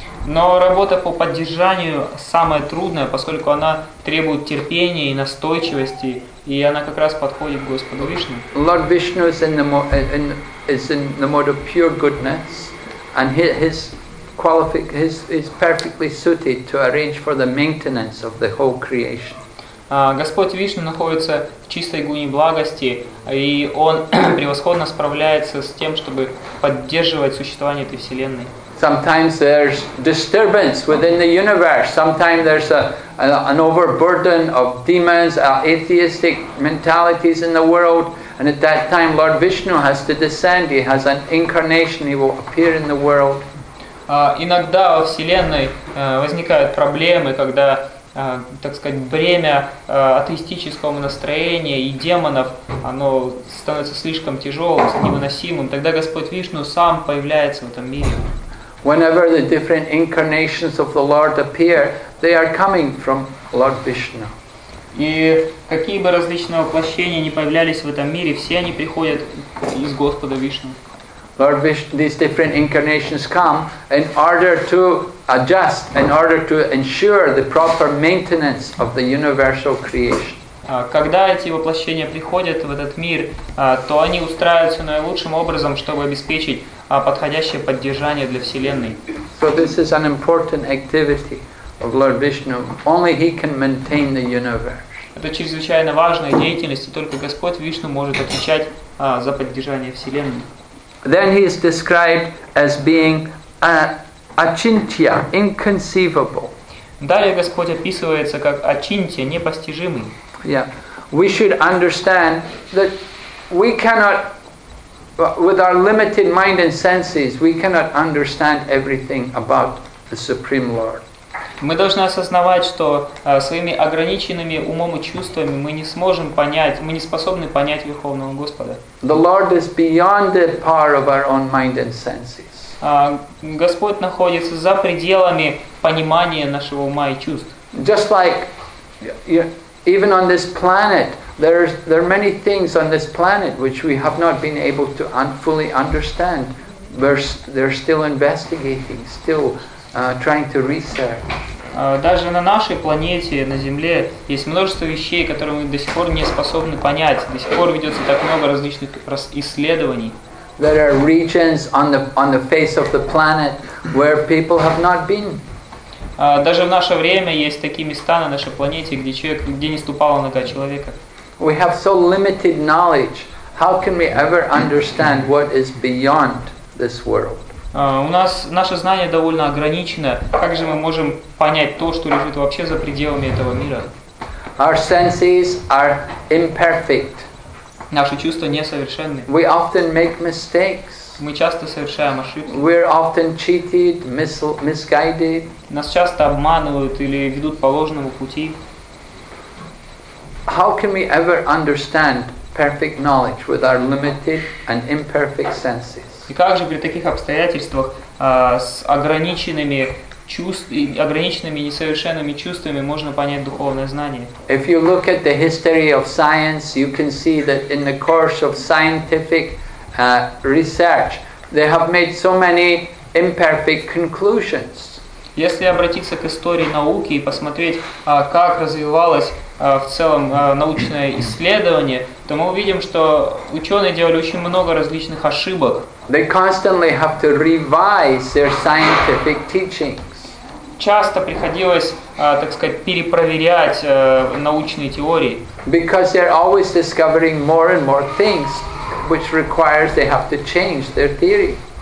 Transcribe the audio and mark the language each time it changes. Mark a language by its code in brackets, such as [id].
[ru] Но работа по поддержанию самая трудная, поскольку она требует терпения и настойчивости, и она как раз подходит Господу Вишну. [en] Lord Vishnu is in the mode of pure goodness, and he is perfectly suited to arrange for the maintenance of the whole creation. [ru] Господь Вишну находится в чистой гуне благости, и он превосходно справляется с тем, чтобы поддерживать существование этой вселенной. [en] Sometimes there's disturbance within the universe. Sometimes there's an overburden of demons, atheistic mentalities in the world. And at that time, Lord Vishnu has to descend. He has an incarnation. He will appear in the world. [ru] Иногда во вселенной возникают проблемы, когда, так сказать, бремя атеистического настроения и демонов, оно становится слишком тяжелым, невыносимым. Тогда Господь Вишну сам появляется в этом мире. [en] Whenever the different incarnations of the Lord appear, they are coming from Lord Vishnu. [ru] И какие бы различные воплощения ни появлялись в этом мире, все они приходят из Господа Вишну. [en] Lord Vishnu, these different incarnations come in order to adjust, in order to ensure the proper maintenance of the universal creation. [ru] Когда эти воплощения приходят в этот мир, то они устраиваются наилучшим образом, чтобы обеспечить подходящее поддержание для Вселенной. [en] So this is an important activity of Lord Vishnu. Only He can maintain the universe. [ru] Это чрезвычайно важная деятельность, и только Господь Вишну может отвечать за поддержание Вселенной. [en] Then He is described as being achintya, inconceivable. [ru] Далее Господь описывается как achintya, непостижимый. [en] Yeah, we should understand that we cannot, with our limited mind and senses, we cannot understand everything about the Supreme Lord. [ru] Мы должны осознавать, что своими ограниченными умом и чувствами мы не сможем понять, мы не способны понять Верховного Господа. [en] The Lord is beyond the power of our own mind and senses. [ru] Господь находится за пределами понимания нашего ума и чувств. [en] Just like even on this planet, there are many things on this planet which we have not been able to fully understand. They're still investigating, still trying to research. [ru] Даже на нашей планете, на Земле, есть множество вещей, которые мы до сих пор не способны понять. До сих пор ведется так много различных исследований. [en] There are regions on the face of the planet where people have not been. [ru] Даже в наше время есть такие места на нашей планете, где не ступала нога человека. [en] We have so limited knowledge. How can we ever understand what is beyond this world? [ru] Наше знание довольно ограничено. Как же мы можем понять то, что лежит вообще за пределами этого мира? [en] Our senses are imperfect. [ru] Наши чувства несовершенны. [en] We often make mistakes. [ru] Мы часто совершаем ошибки. [en] We're often cheated, misguided. [ru] Нас часто обманывают или ведут по ложному пути. [en] How can we ever understand perfect knowledge with our limited and imperfect senses? [ru] И как же при таких обстоятельствах с ограниченными ограниченными несовершенными чувствами можно понять духовное знание? [en] If you look at the history of science, you can see that in the course of scientific research, they have made so many imperfect conclusions. [ru] Если обратиться к истории науки и посмотреть, как развивалось в целом научное исследование, то мы увидим, что ученые делали очень много различных ошибок. [en] They constantly have to revise their scientific teachings. [ru] Часто приходилось, так сказать, перепроверять научные теории. [en] Because they're always discovering more and more things, which requires they have to change their theory.